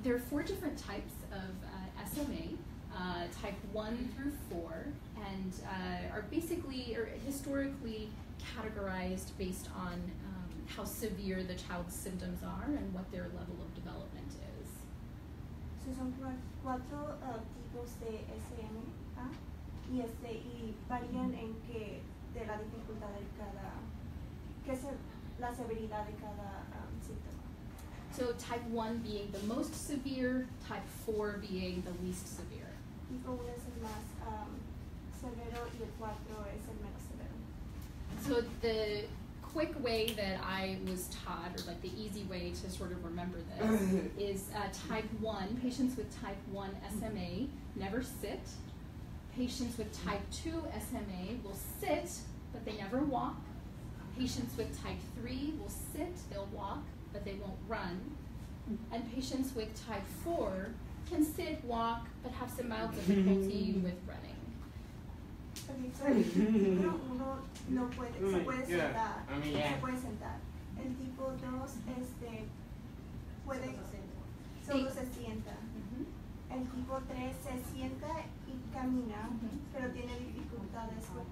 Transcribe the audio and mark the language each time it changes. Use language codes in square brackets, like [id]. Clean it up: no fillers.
[en] There are 4 different types of SMA, type 1 through 4, and are basically or historically categorized based on how severe the child's symptoms are and what their level of development is. [es] So son 4 tipos de SMA y varían en que de la dificultad de cada que es la severidad de cada síntoma. [en] So type 1 being the most severe, type 4 being the least severe. [es] Tipo 1 es el más severo y el 4 es el menos severo. [en] So the quick way that I was taught, or like the easy way to sort of remember this, is type 1, patients with type 1 SMA never sit. Patients with type 2 SMA will sit, but they never walk. Patients with type 3 will sit, they'll walk, but they won't run. And patients with type 4 can sit, walk, but have some mild difficulty with running. [es] Uno no puede, se puede sentar, se puede sentar. El tipo 2 puede, solo se sienta. El tipo 3 se sienta y camina, pero tiene dificultades